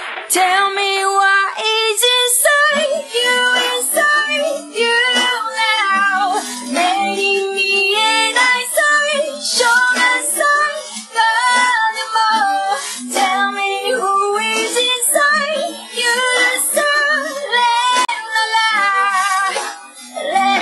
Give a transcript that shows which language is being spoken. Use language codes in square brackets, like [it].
[en] Tell me why it's inside you, inside you now. [ja] 目に見えない最初の最後でも。 [en] Tell me who is inside you, inside you now.